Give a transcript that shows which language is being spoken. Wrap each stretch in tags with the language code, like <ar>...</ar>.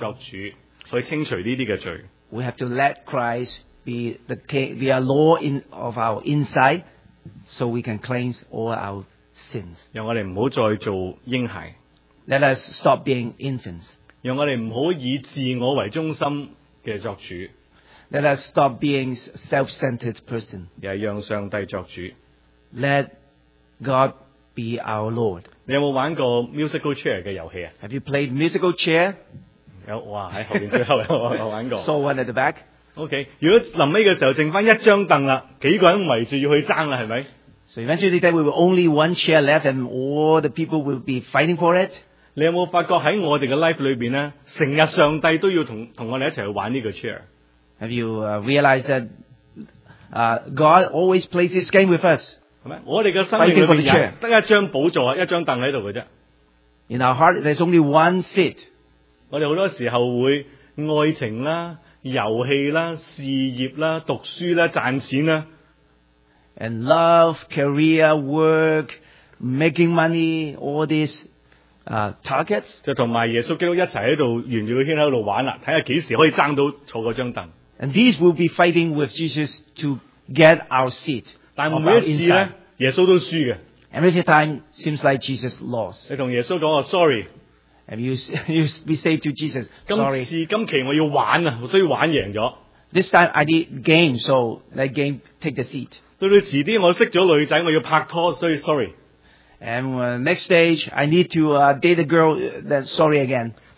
<zh>我们都需要让基督在我们生命作主去清除这些罪。</zh> <en>We have to let Christ be the king, be our Lord of our inside, so we can cleanse all our sins.</en> <zh>让我们不要再做婴孩。</zh> <en>Let us stop being infants.</en> <zh>让我们不要以自我为中心的作主。</zh> <en>Let us stop being self-centered person.</en> <zh>而是让上帝作主。</zh> <en>Let God be our Lord.</en> <zh>你有没有玩过 musical chair的游戏？</zh> <en>Have you played musical chair?</en> <zh>有，哇，在后面最后有玩过。</zh> <en>Saw one at the back.</en> <zh>Okay, 如果临尾的时候剩下一张凳了，几个人围着要去争了，是不是？</zh> <en>So eventually that we will only one chair left and all the people will be fighting for it.</en> <zh>你有没有发觉在我们的 life 里面，成日上帝都要跟我们一起去玩这个 chair?</zh> <en>Have you realized that God always plays this game with us?</en> <zh>我们的生命里面只有一张宝座，一张凳在这里。</zh> <en>In our heart, there's only one seat.</en> <zh>我们很多时候会爱情、游戏、事业、读书、赚钱。</zh> <en>And love, career, work, making money, all these targets.</en> <zh>就和耶稣基督一起在这里沿着圈在这里玩，看看何时可以争到坐那张凳。</zh> <en>And these will be fighting with Jesus to get our seat.</en> <zh>但每一次耶稣都输的。</zh> <en>Every time seems like Jesus lost.</en> <zh>你跟耶稣说sorry。</zh> <en>And we say to Jesus, sorry.</en> <zh>今期我要玩，所以玩赢了。</zh> <en>This time I did game, so let game take the seat.</en> <zh>到了迟点我认识了女生，我要拍拖，所以sorry.</zh> <en>And next stage, I need to date a girl, then sorry again.</en>